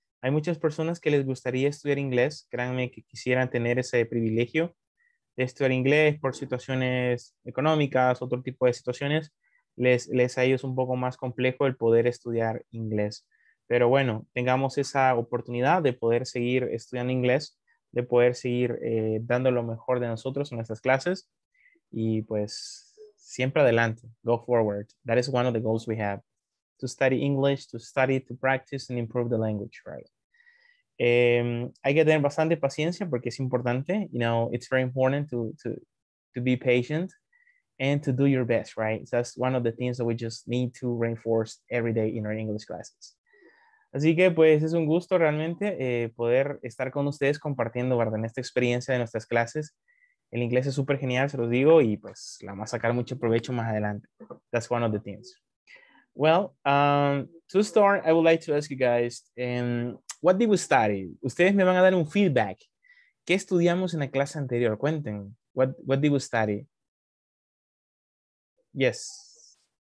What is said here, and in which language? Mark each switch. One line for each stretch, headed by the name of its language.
Spanish: Hay muchas personas que les gustaría estudiar inglés, créanme que quisieran tener ese privilegio de estudiar inglés por situaciones económicas, otro tipo de situaciones, les a ellos un poco más complejo el poder estudiar inglés. Pero bueno, tengamos esa oportunidad de poder seguir estudiando inglés, de poder seguir dando lo mejor de nosotros en nuestras clases y pues siempre adelante,
English: go forward. That is one of the goals we have. To study English, to study, to practice and improve the language, right?
Spanish: Hay que tener bastante paciencia porque es importante.
English: You know, it's very important to be patient and to do your best, right? So that's one of the things that we just need to reinforce every day in our English classes.
Spanish: Así que, pues, es un gusto realmente poder estar con ustedes compartiendo, ¿verdad? En esta experiencia de nuestras clases. El inglés es súper genial, se los digo, y pues, la vamos a sacar mucho provecho más adelante.
English: That's one of the things. Well, to start, I would like to ask you guys, what did we study?
Spanish: Ustedes me van a dar un feedback. ¿Qué estudiamos en la clase anterior? Cuenten.
English: What did we study? Yes.